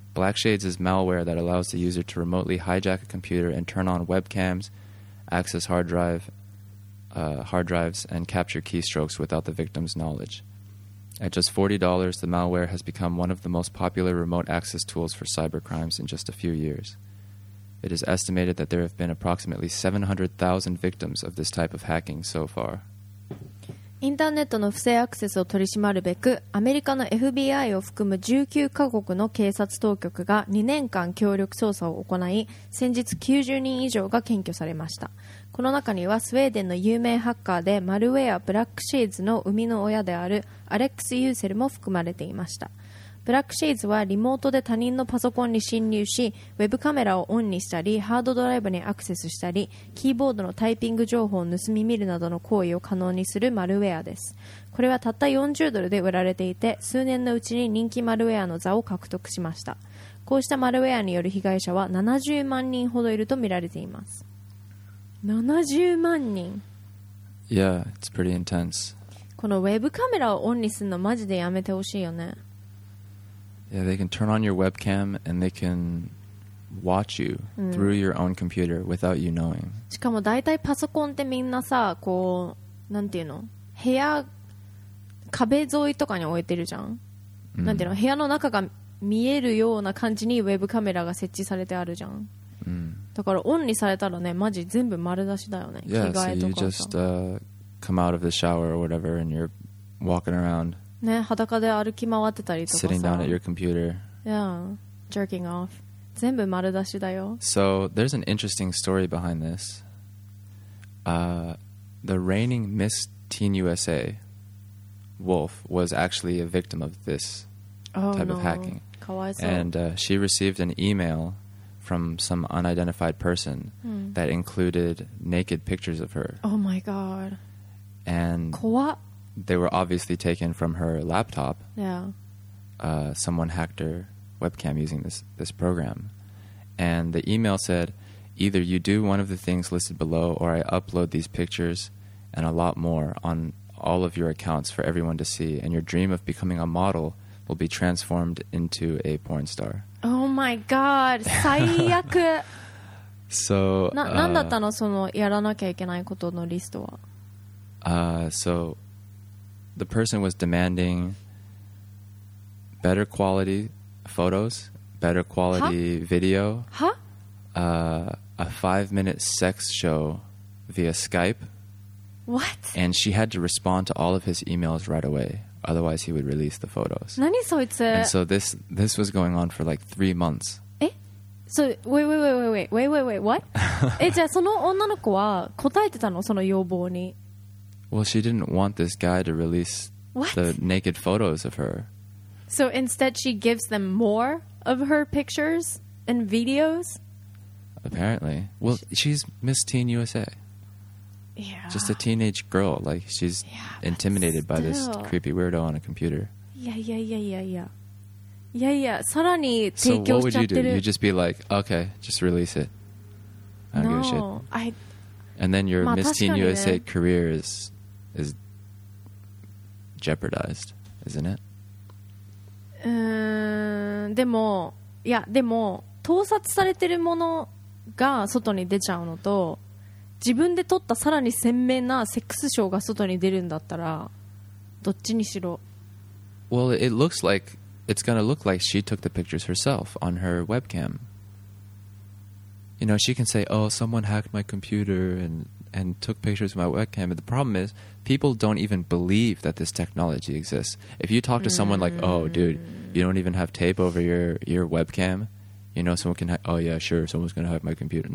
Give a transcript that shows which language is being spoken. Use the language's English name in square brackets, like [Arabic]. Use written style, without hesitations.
[English] Blackshades is malware that allows the user to remotely hijack a computer and turn on webcams, access hard drives and capture keystrokes without the victim's knowledge. At just $40, the malware has become one of the most popular remote access tools for cybercrimes in just a few years. It is estimated that there have been approximately 700,000 victims of this type of hacking so far. [Japanese] インターネットの不正アクセスを取り締まるべく、アメリカの FBI を含む19カ国の警察当局が2年間協力捜査を行い、先日90人以上が検挙されました。この中にはスウェーデンの有名ハッカーでマルウェアブラックシェイズの生みの親であるアレックス・ユーセルも含まれていました。ブラックシェイズはリモートで他人のパソコンに侵入し、ウェブカメラをオンにしたり、ハードドライブにアクセスしたり、キーボードのタイピング情報を盗み見るなどの行為を可能にするマルウェアです。これはたった40ドルで売られていて、数年のうちに人気マルウェアの座を獲得しました。こうしたマルウェアによる被害者は70万人ほどいると見られています。 70万人? [English] Yeah, it's pretty intense. [Japanese] このウェブカメラをオンにするのマジでやめてほしいよね。 [English] Yeah, they can turn on your webcam and they can watch you through your own computer without you knowing. [Japanese] しかも大体パソコンってみんなさ、こう、なんていうの? 部屋、壁沿いとかに置いてるじゃん。なんていうの? 部屋の中が見えるような感じにウェブカメラが設置されてあるじゃん。だからオンにされたらね、マジ全部丸出しだよね。 [English] Yeah, [Japanese] 着替えとか。 [English] So you just, come out of the shower or whatever and you're walking around. [Japanese] ね、裸で歩き回ってたりとかさ [English] Sitting down at your computer Yeah, jerking off [Japanese] 全部丸出しだよ [English] So there's an interesting story behind this The reigning Miss Teen USA Wolf was actually a victim of this type of hacking [Japanese] かわいそう [English] And she received an email from some unidentified person that included naked pictures of her Oh my god And [Japanese] 怖っ [English] They were obviously taken from her laptop. Yeah. Someone hacked her webcam using this program. And the email said, Either you do one of the things listed below, or I upload these pictures and a lot more on all of your accounts for everyone to see, and your dream of becoming a model will be transformed into a porn star. Oh my god, [Japanese] 最悪。 [English] So, [Japanese] なんだったの、そのやらなきゃいけないことのリストは。 [English] So the person was demanding better quality photos, better quality video. Huh? A 5-minute sex show via Skype. What? And she had to respond to all of his emails right away. Otherwise, he would release the photos. [Japanese] 何そいつ? [English] And so this was going on for like 3 months. [Japanese] え? [English] So, wait. What? [Japanese] え、じゃあその女の子は答えてたの? その要望に。 [English] Well, she didn't want this guy to release What? The naked photos of her. So instead, she gives them more of her pictures and videos? Apparently. Well, she's Miss Teen USA. Yeah. Just a teenage girl. Like, she's intimidated by this creepy weirdo on a computer. Yeah. [Japanese] さらに提供しちゃってる。 [English] So what would you do? You'd just be like, okay, just release it. I don't give a shit. And then your Miss Teen USA career is jeopardized, isn't it? [Japanese] でも、いや、でも、盗撮されてるものが外に出ちゃうのと、自分で撮ったさらに鮮明なセックスショーが外に出るんだったら、どっちにしろ。 [English] Well, it looks like it's gonna look like she took the pictures herself on her webcam. You know, she can say, "Oh, someone hacked my computer and took pictures of my webcam." But the problem is, people don't even believe that this technology exists. If you talk to someone like, "Oh, dude, you don't even have tape over your webcam," you know, someone can oh yeah, sure, someone's gonna hack my computer.